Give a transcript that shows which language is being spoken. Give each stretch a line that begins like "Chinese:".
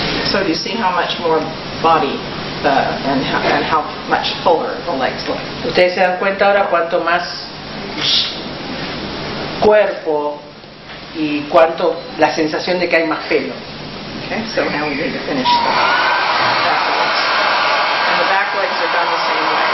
English: So do you see how much more body and how much fuller the legs look?
Spanish: Ustedes se dan cuenta ahora cuánto más cuerpo y cuánto la sensación de que hay más pelo.
English: Okay, so now we need to finish the back legs. And the back legs are done the same way.